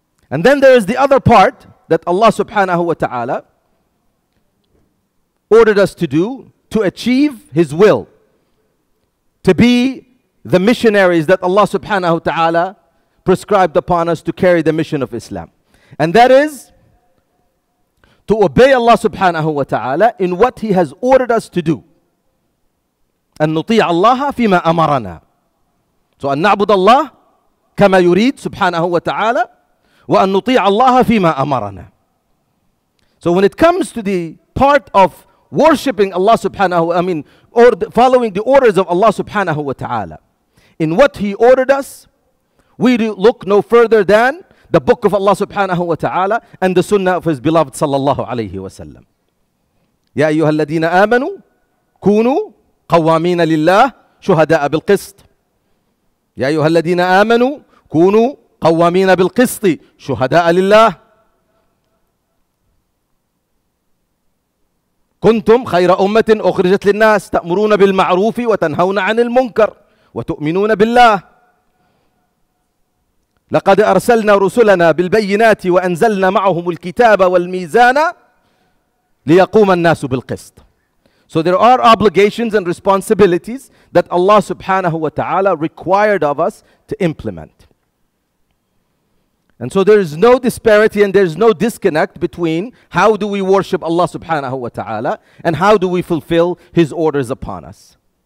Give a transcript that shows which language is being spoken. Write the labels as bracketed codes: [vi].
[en] And then there is the other part that Allah subhanahu wa ta'ala ordered us to do to achieve His will, to be the missionaries that Allah subhanahu wa ta'ala prescribed upon us to carry the mission of Islam. And that is to obey Allah subhanahu wa ta'ala in what He has ordered us to do. [ar] أن نطيع الله فيما أمرنا. So, أن نعبد الله كما يريد subhanahu wa ta'ala. وَأَن نُطِيعَ اللَّهَ فِيمَا أَمَرَنَا. [en] So when it comes to the part of worshipping Allah subhanahu, following the orders of Allah subhanahu wa ta'ala, in what He ordered us, we look no further than the book of Allah subhanahu wa ta'ala and the sunnah of His beloved sallallahu alayhi wa sallam. [ar] يَا أَيُّهَا الَّذِينَ آمَنُوا كُونُوا قَوَّامِينَ لِلَّهِ شُهَدَاءَ بِالْقِسْطِ. يَا أَيُّهَا الَّذِينَ آمَنُوا كُونُوا قوامين بالقسط شهداء لله. كنتم خير أمة أخرجت للناس تأمرون بالمعروف وتنهون عن المنكر وتؤمنون بالله. لقد أرسلنا رسلنا بالبينات وأنزلنا معهم الكتاب والميزان ليقوم الناس بالقسط. [en] So there are obligations and responsibilities that Allah subhanahu wa ta'ala required of us to implement. And so there is no disparity and there is no disconnect between how do we worship Allah subhanahu wa ta'ala and how do we fulfill His orders upon us.